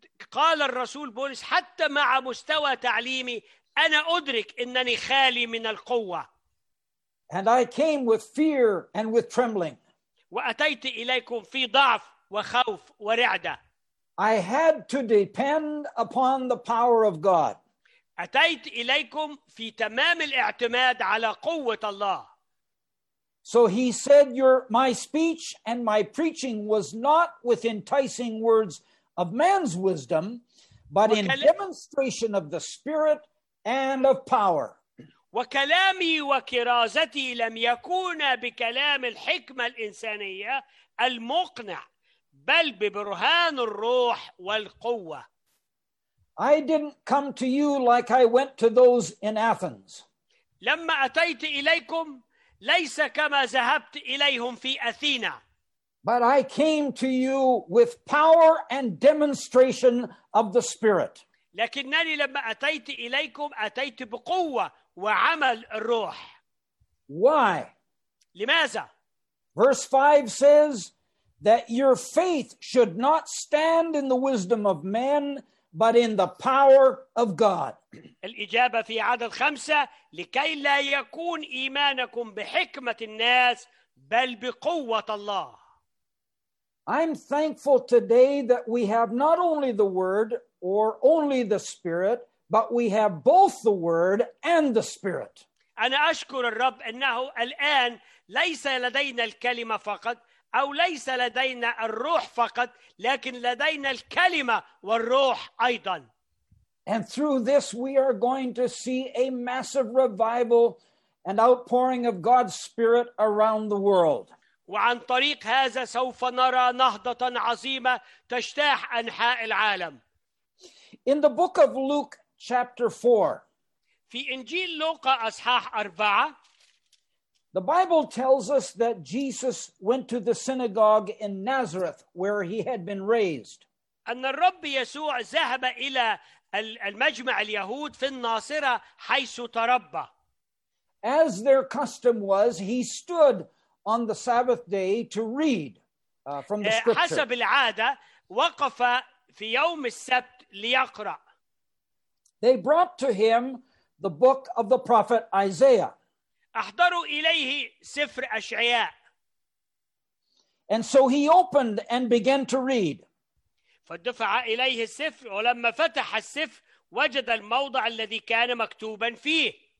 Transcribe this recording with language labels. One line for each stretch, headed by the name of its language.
Arabic: قال الرسول بولس حتى مع مستوى تعليمي أنا أدرك أنني خالي من القوة.
English: And I came with fear and with trembling.
Arabic: وأتيت إليكم في ضعف وخوف ورعدة.
English: I had to depend upon the power of God.
Arabic: أتيت إليكم في تمام الاعتماد على قوة الله.
English: So he said, "My speech and my preaching was not with enticing words of man's wisdom, but in demonstration of the Spirit and of power."
Arabic: وكلامي وكرازتي لم يكونا بكلام الحكمة الإنسانية المقنع بل ببرهان الروح والقوة.
English: I didn't come to you like I went to those in Athens.
Arabic: لما أتيت إليكم ليس كما ذهبت إليهم في أثينا.
English: But I came to you with power and demonstration of the Spirit.
Arabic: لكنني لما أتيت إليكم أتيت بقوة وعمل الروح.
English: Why?
Arabic: لماذا?
English: Verse 5 says that your faith should not stand in the wisdom of men, but in the power of God.
Arabic: الإجابة في عدد 5 لكي لا يكون إيمانكم بحكمة الناس بل بقوة الله.
English: I'm thankful today that we have not only the Word or only the Spirit, but we have both the Word and the Spirit.
Arabic: أنا أشكر الرب أنه الآن ليس لدينا الكلمة فقط أو ليس لدينا الروح فقط لكن لدينا الكلمة والروح أيضا.
English: And through this we are going to see a massive revival and outpouring of God's Spirit around the world.
Arabic: وعن طريق هذا سوف نرى نهضة عظيمة تجتاح أنحاء العالم.
English: In the book of Luke chapter 4.
Arabic: في إنجيل لوقا أصحاح 4.
English: The Bible tells us that Jesus went to the synagogue in Nazareth where he had been raised.
Arabic: أن الرب يسوع ذهب إلى المجمع اليهود في الناصرة حيث تربى.
English: As their custom was, he stood on the Sabbath day to read from the scripture.
Arabic: حسب العادة وقف في يوم السبت ليقرأ.
English: They brought to him the book of the prophet Isaiah.
Arabic: أحضروا إليه سفر أشعياء.
English: And so he opened and began to read.
Arabic: فدفع إليه السفر ولما فتح السفر وجد الموضع الذي كان مكتوبا فيه.